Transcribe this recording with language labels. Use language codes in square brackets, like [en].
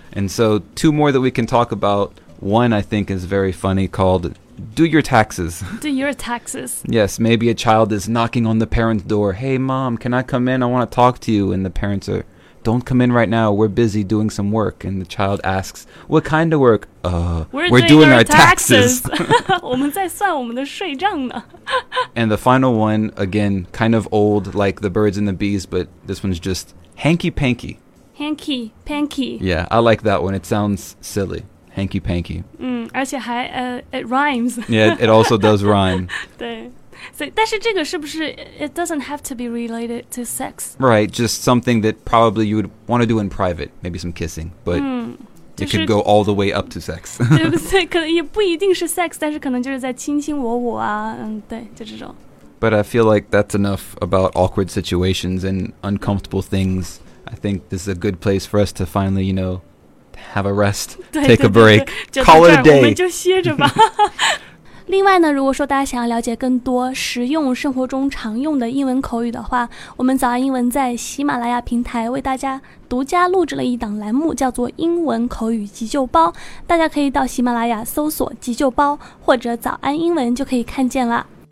[en] and so two more that we can talk about one I think is very funny calledo your taxes. Do your taxes. Yes, maybe a child is knocking on the parent's door. Hey, mom, can I come in? I want to talk to you. And the parents are, don't come in right now. We're busy doing some work. And the child asks, what kind of work? We're doing our taxes. [zh] 我们在算我们的税账呢。 [en] And the final one, again, kind of old, like the birds and the bees, but this one's just hanky-panky. Hanky-panky. Yeah, I like that one. It sounds silly. Hanky panky. And it rhymes. Yeah, it also does rhyme. [zh] 对，所以但是这个是不是 [en] it doesn't have to be related to sex? Right, just something that probably you would want to do in private, maybe some kissing, but、 [zh] 就是、 [en] it could go all the way up to sex. [zh] 对，可能也不一定是 sex, 但是可能就是在卿卿我我啊，对，就这种。 [en] But I feel like that's enough about awkward situations and uncomfortable things. I think this is a good place for us to finally, you know. Have a rest, take a break, call it a day. [zh] 我们就歇着吧。另外呢，如果说大家想要了解更多实用生活中常用的英文口语的话，我们早安英文在喜马拉雅平台为大家独家录制了一档栏目，叫做英文口语急救包，大家可以到喜马拉雅搜索急救包或者早安英文就可以看见了。